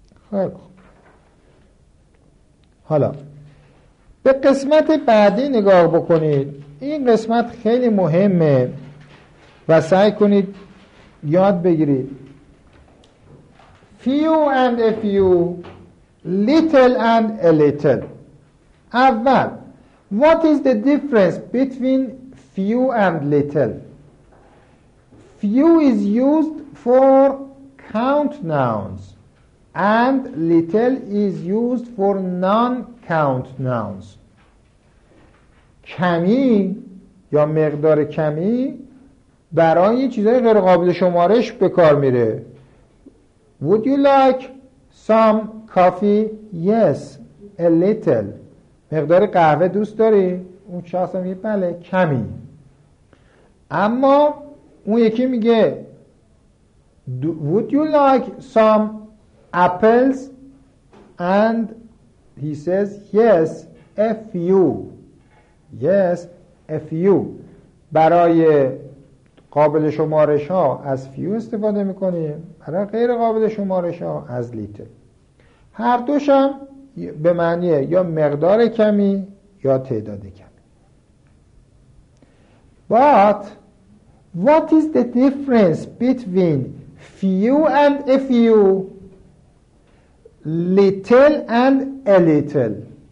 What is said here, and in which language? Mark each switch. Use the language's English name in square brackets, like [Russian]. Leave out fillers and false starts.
[Persian] خیلی خوب، حالا به قسمت بعدی نگاه بکنید. این قسمت خیلی مهمه و سعی کنید یاد بگیرید. [English] few and a few، little and a little. اول what is the difference between few and little؟ few is used for count nouns and little is used for non-count nouns. [Persian] کمی یا مقدار کمی برای یه چیزای غیر قابل شمارش به کار میره. [English] would you like some coffee؟ yes a little. [Persian] مقدار قهوه دوست داری؟ اون شخص میگه بله کمی. اما اون یکی میگه [English] would you like some apples and he says yes a few. yes a few. [Persian] برای قابل شمارش ها از few استفاده میکنیم، برای غیر قابل شمارش ها از little. هر دوش هم به معنی یا مقدار کمی یا تعداد کمی. [English] But what is the difference between few and a few, little and a little?